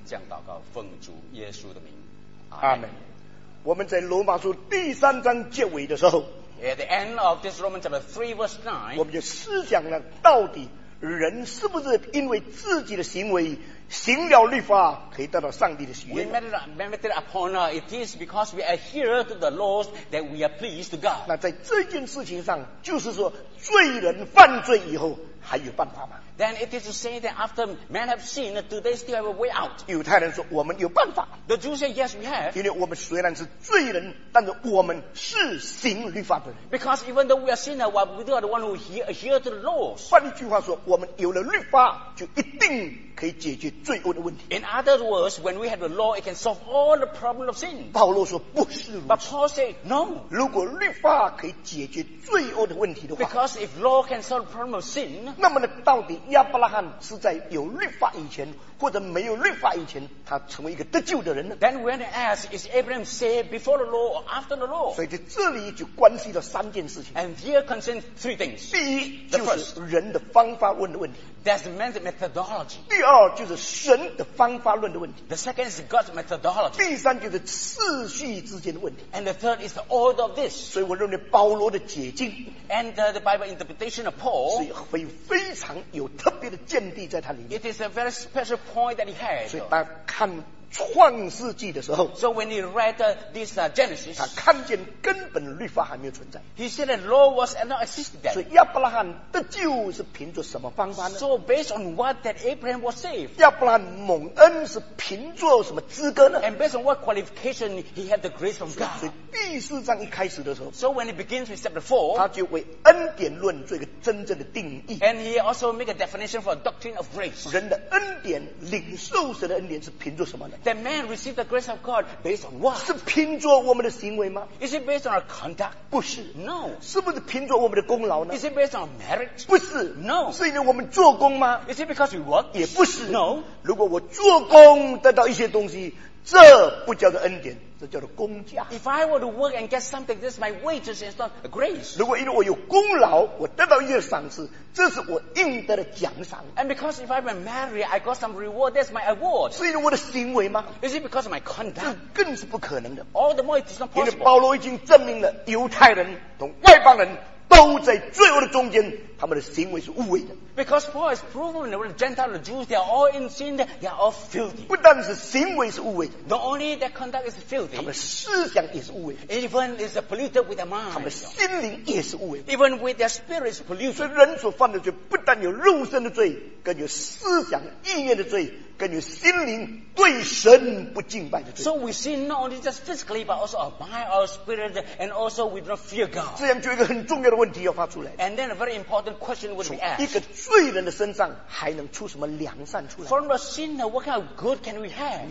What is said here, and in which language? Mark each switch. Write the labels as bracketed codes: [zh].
[zh] 这样祷告奉主耶稣的名，阿们。我们在罗马书第三章结尾的时候， [en] At the end of this Romans chapter 3 verse 9， [zh] 我们就思想了到底人是不是因为自己的行为行了律法可以得到上帝的喜悦。 [en] We meditated upon it is because we adhere to the laws that we are pleased to God。 [zh] 那在这件事情上，就是说罪人犯罪以后还有办法吗？ [en] Then it is to say that after men have sinned, do they still have a way out? [zh] 犹太人说我们有办法。 [en] The Jews say yes we have。 [zh] 因为我们虽然是罪人，但是我们是行律法的人。 [en] Because even though we are sinner, we are the one who adhere to the laws。 [zh] 换一句话说，我们有了律法就一定可以解决罪恶的问题。 [en] In other words, when we have the law, it can solve all the problems of sin. [zh] 保罗说不是如此。 [en] But Paul said, no. [zh] 如果律法可以解决罪恶的问题的话， [en] Because if law can solve the problem of sin, [zh] 那么呢，到底亚伯拉罕是在有律法以前或者没有律法以前他成为一个得救的人呢？ [en] Then when they ask, is Abraham saved before the law or after the law? [zh] 所以在这里就关系了三件事情。 [en] And here concerns three things. [zh] 第一就是人的方法问的问题。 [en] That's the man's methodology. [zh] 第二就是神的方法论的问题。 [en] The second is God's methodology. [zh] 第三就是次序之间的问题。 [en] And the third is the order of this. [zh] 所以我认为保罗的解经 [en] and the Bible interpretation of Paul [zh] 是非常有特别的见地在他里面。 [en] It is a very special point that he has. [zh] 所以大家看创世纪的时候 [en] ，So when he read this Genesis， [zh] 他看见根本律法还没有存在。 [en] He said that law was not existed then。 [zh] 所以亚伯拉罕得救是凭着什么方法呢 [en] ？So based on what that Abraham was saved？ [zh] 亚伯拉罕蒙恩是凭着什么资格呢 [en] ？And based on what qualification he had the grace from God？ [zh] 所以第四章一开始的时候 [en] ，So when he begins with chapter four， [zh] 他就为恩典论做一个真正的定义。 [en] And he also make a definition for a doctrine of grace。 [zh] 人的恩典，领受神的恩典是凭着什么呢？ [en] That man received the grace of God based on what? [zh] 是凭着我们的行为吗 [en] ？Is it based on our conduct? [zh] 不是。 [en] No. [zh] 是不是凭着我们的功劳呢 [en] ？Is it based on our merit? [zh] 不是。 [en] No. [zh] 是因为我们做工吗 [en] ？Is it because we work? [zh] 也不是。 [en] No. [zh] 如果我做工得到一些东西，这不叫做恩典，这叫做工价。 [en] If I were to work and get something, this is my wages, it's not a grace. [zh] 如果因为我有功劳，我得到一些赏赐，这是我应得的奖赏。 [en] And because if I'm married, I got some reward, that's my award. [zh] 是因为我的行为吗 [en] ？Is it because of my conduct? [zh] 这更是不可能的。 [en] All the more, it is not possible. [zh] 因为保罗已经证明了犹太人同外邦人。都在罪恶的中间，他们的行为是污秽的。 [en] Because Paul has proven that the Gentiles, the Jews, they are all in sin, they are all filthy. [zh] 不但是行为是污秽的 [en] ，Not only their conduct is filthy， [zh] 他们思想也是污秽的。 [en] Even is polluted with their mind， [zh] 他们心灵也是污秽的。 [en] Even with their spirit is polluted。 [zh] 所以人所犯的罪，不但有肉身的罪，更有思想意念的罪。跟你心灵对神不敬拜的罪。 [en] So we sin not only just physically, but also our mind, our spirit, and also we don't fear God. [zh] 这样就一个很重要的问题要发出来。 [en] And then a very important question would be asked. [zh] 一个罪人的身上还能出什么良善出来 [en] ？From a sinner, what kind of good can we have?